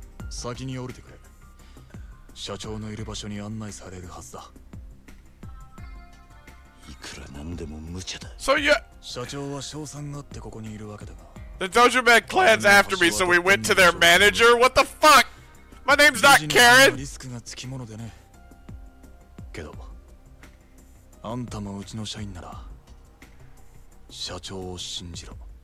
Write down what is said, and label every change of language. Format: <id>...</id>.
<ja>先に降りてくれ。社長のいる場所に案内されるはずだ。いくらなんでも無茶だ。</ja> <en>So the Dojima clan's after me, so we went to their manager. What the fuck? My name's not Karen.</en> <ja>リスクがつきものでね。けど、あんたもうちの社員なら、社長を信じろ。</ja>